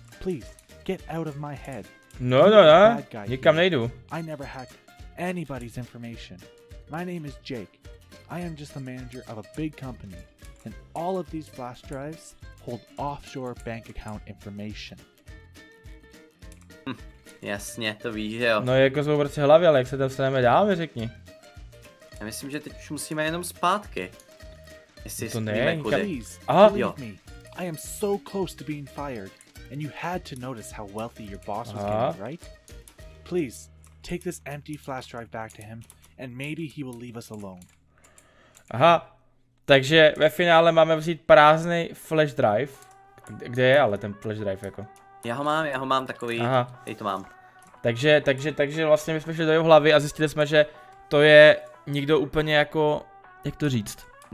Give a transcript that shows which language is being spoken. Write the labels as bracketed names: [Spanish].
[English] Please, get out of my head. [Czech] No, nikam nejdu. [English] I never hacked anybody's information. My name is Jake. I am just the manager of a big company, and all of these flash drives hold offshore bank account information. [Czech] Jasně, to víš, že jo. No jako jsou prostě hlavy, ale jak se tam staneme dál, mi řekni. Já myslím, že teď už musíme jenom zpátky. Jestli to ne, [English] please, believe me, I am so close to being fired, and you had to notice how wealthy your boss was getting, right? Please, take this empty flash drive back to him, and maybe he will leave us alone. [Czech] Aha, takže ve finále máme vzít prázdný flash drive. Kde je ale ten flash drive jako? Já ho mám takový, aha. Tady to mám. Takže vlastně my jsme šli do jeho hlavy a zjistili jsme, že to je někdo úplně jako, jak to říct?